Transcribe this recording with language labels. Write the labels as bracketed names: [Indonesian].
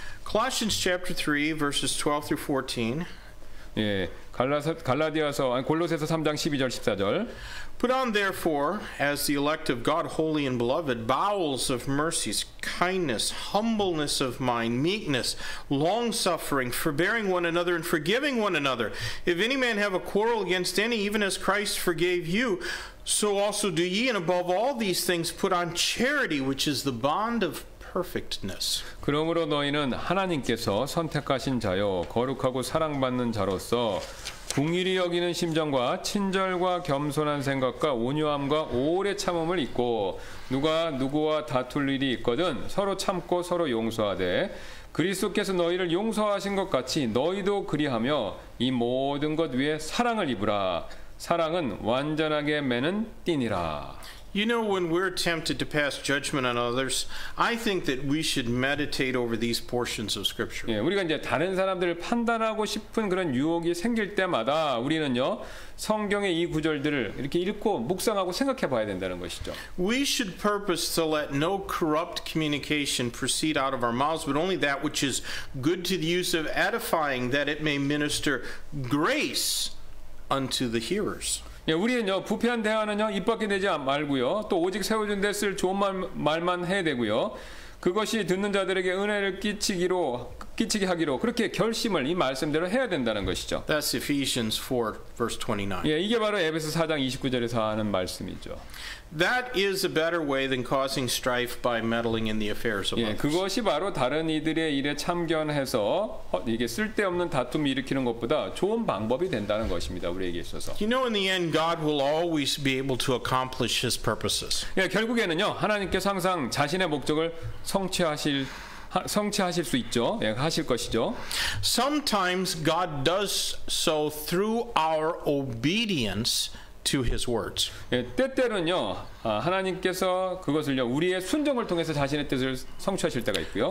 [English] Colossians chapter 3 verses 12 through 14. [Korean] 예, 갈라디아서 아니 골로새서 3장 12절 14절. [English] Put on therefore as the elect of God holy and beloved bowels of mercies kindness humbleness of mind meekness long suffering forbearing one another and forgiving one another if any man have a quarrel against any even as Christ forgave you so also do ye and above all these things put on charity which is the bond of perfectness. [Korean] 그러므로 너희는 하나님께서 선택하신 자요 거룩하고 사랑받는 자로서 궁휼히 여기는 심정과 친절과 겸손한 생각과 온유함과 오래 참음을 잊고 누가 누구와 다툴 일이 있거든 서로 참고 서로 용서하되 그리스도께서 너희를 용서하신 것 같이 너희도 그리하며 이 모든 것 위에 사랑을 입으라 사랑은 완전하게 매는 띠니라. [English] You know, when we're tempted to pass judgment on others, I think that we should meditate over these portions of Scripture. [Korean] 예, 우리가 이제 다른 사람들을 판단하고 싶은 그런 유혹이 생길 때마다 우리는요 성경의 이 구절들을 이렇게 읽고 묵상하고 생각해봐야 된다는 것이죠. [English] We should purpose to let no corrupt communication proceed out of our mouths, but only that which is good to the use of edifying, that it may minister grace unto the hearers. [Korean] 예, 우리는요 부패한 대화는요 입 밖에 내지 말고요 또 오직 세워준 데 쓸 좋은 말만 해야 되고요 그것이 듣는 자들에게 은혜를 끼치게 하기로 그렇게 결심을 이 말씀대로 해야 된다는 것이죠. [English] That's Ephesians 4 verse 29. [Korean] 예, 이게 바로 에베소 4장 29절에서 하는 말씀이죠. [English] That is a better way than causing strife by meddling in the affairs of others. [Korean] 예, 그것이 바로 다른 이들의 일에 참견해서 이게 쓸데없는 다툼 일으키는 것보다 좋은 방법이 된다는 것입니다. 우리에게 있어서. [English] You know, in the end, God will always be able to accomplish His purposes. [Korean] 예, 결국에는요 하나님께서 항상 자신의 목적을 성취하실 수 있죠. 예, 하실 것이죠. [English] Sometimes God does so through our obedience. To His words. [Korean] 예, 때때로는요 하나님께서 그것을요 우리의 순종을 통해서 자신의 뜻을 성취하실 때가 있고요.